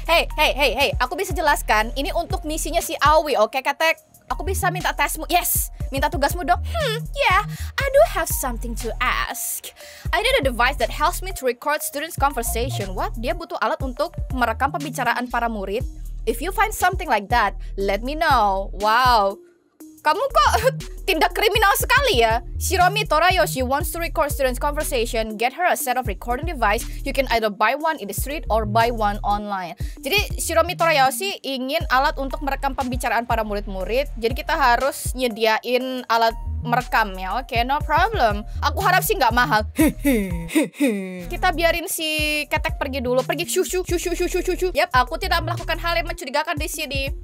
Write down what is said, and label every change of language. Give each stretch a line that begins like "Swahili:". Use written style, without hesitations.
Indonesian: Hey, hey, hey, hey, aku bisa jelaskan. Ini untuk misinya si Awi, oke Ketek. Aku bisa minta tesmu, yes. Minta tugasmu dong.
English: Yeah, I do have something to ask. I need a device that helps me to record students' conversation. What?
Indonesian: Dia butuh alat untuk merekam pembicaraan para murid.
English: If you find something like that, let me know. Wow,
Indonesian: kamu kok tindak kriminal sekali ya.
English: Shiromi Torayo, she wants to record students' conversation. Get her a set of recording device. You can either buy one in the street or buy one online.
Indonesian: Jadi Shiromi Torayo sih ingin alat untuk merekam pembicaraan para murid-murid. Jadi kita harus nyediain alat merekam ya. Oke, okay,
English: no problem.
Indonesian: Aku harap sih gak mahal. Kita biarin si Ketek pergi dulu. Pergi, shu. Yap, aku tidak melakukan hal yang mencurigakan di sini.